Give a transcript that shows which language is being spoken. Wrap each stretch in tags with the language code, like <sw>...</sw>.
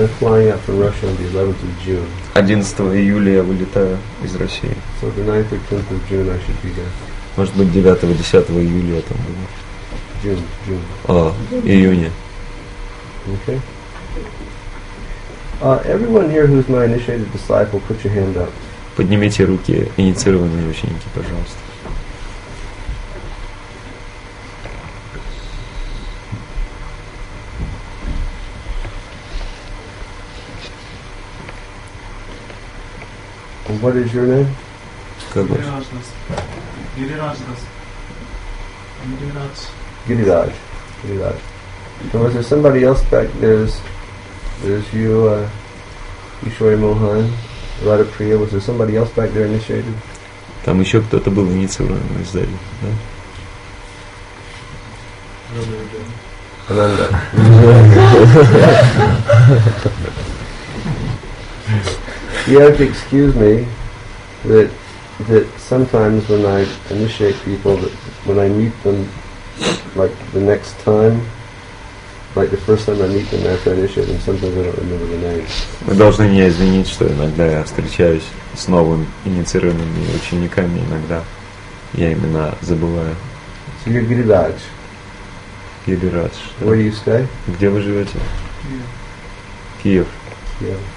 <ru>11 июля я вылетаю из России.</ru> <en>So the 9th or 10th of June I should be there.</en> <ru>Может быть, 9-10 июля я там буду. Июня. Okay.</ru> <en>Everyone here who's my initiated disciple, put your hand up.</en> <ru>Поднимите руки, инициированные ученики, пожалуйста.</ru> <en>What is your name?</en> <ru>Гирираджас. Гирираджас. Гирирадж. Гирирадж.</ru> <en>So is there somebody else back? There's you, Ishwari Mohan. Radha Priya, was there somebody else back there initiated?</en> <ru>Там еще кто-то был инициирован из зала, да? Ананда.</ru> <en>You have to excuse me that sometimes when I initiate people, that when I meet them, like the next time, like the first time I meet them after I initiate them, sometimes I don't remember the name.</en> <ru>Вы должны меня извинить, что иногда я встречаюсь с новыми инициированными учениками, иногда я имена забываю. Или Гридач. Гридач.</ru> <en>Where do you stay?</en> <ru>Где вы живете? Киев. Киев.</ru>